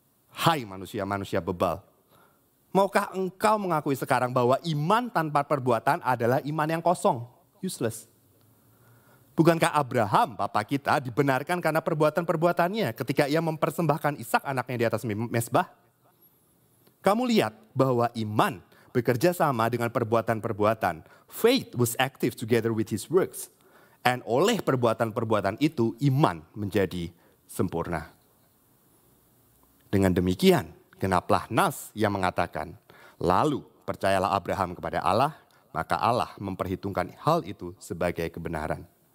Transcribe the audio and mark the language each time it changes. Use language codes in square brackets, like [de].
[id] Hai manusia-manusia bebal. Maukah engkau mengakui sekarang bahwa iman tanpa perbuatan adalah iman yang kosong, useless? Bukankah Abraham, bapa kita, dibenarkan karena perbuatan-perbuatannya ketika ia mempersembahkan Ishak anaknya di atas mesbah? Kamu lihat bahwa iman bekerja sama dengan perbuatan-perbuatan. [en] Faith was active together with his works. [id] And oleh perbuatan-perbuatan itu, iman menjadi sempurna. Dengan demikian, genaplah nas yang mengatakan, lalu percayalah Abraham kepada Allah, maka Allah memperhitungkan hal itu sebagai kebenaran.